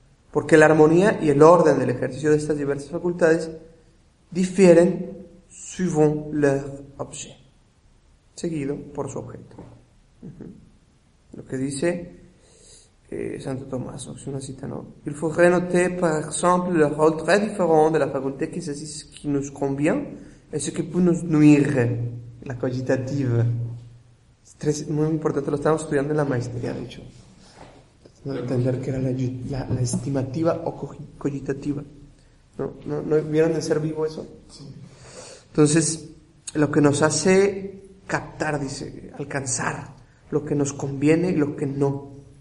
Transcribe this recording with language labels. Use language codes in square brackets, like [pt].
[es] Porque la armonía y el orden del ejercicio de estas diversas facultades difieren [fr] suivant leur objet, [es] seguido por su objeto. Lo que dice Santo Tomás, es una cita, ¿no? [fr] Il faudrait noter, par exemple, le rôle très différent de la faculté qui saisit ce qui nous convient et ce qui peut nous nuire, la cogitative. [es] Es muy importante, lo estábamos estudiando en la maestría, de hecho. No entender que era la estimativa o cogitativa. ¿No vieron de ser vivo eso? Entonces, lo que nos hace captar, dice, alcanzar lo que nos conviene y lo que no.